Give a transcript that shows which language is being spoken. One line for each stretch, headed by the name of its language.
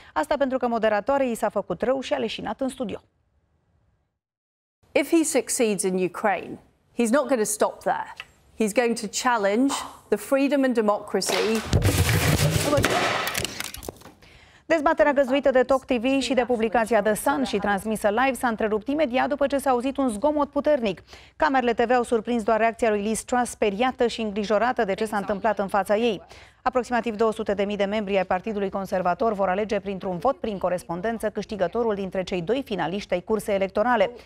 Romanian: Asta pentru că moderatoarei i s-a făcut rău și a leșinat în studio.
English: If he succeeds in Ukraine, he's not going to stop there. He's going to challenge the freedom and democracy.
Romanian: Dezbaterea găzduită de Talk TV și de publicația The Sun și transmisă live s-a întrerupt imediat după ce s-a auzit un zgomot puternic. Camerele TV au surprins doar reacția lui Liz Truss, speriată și îngrijorată de ce s-a întâmplat în fața ei. Aproximativ 200.000 de membri ai Partidului Conservator vor alege printr-un vot prin corespondență câștigătorul dintre cei doi finaliști ai cursei electorale.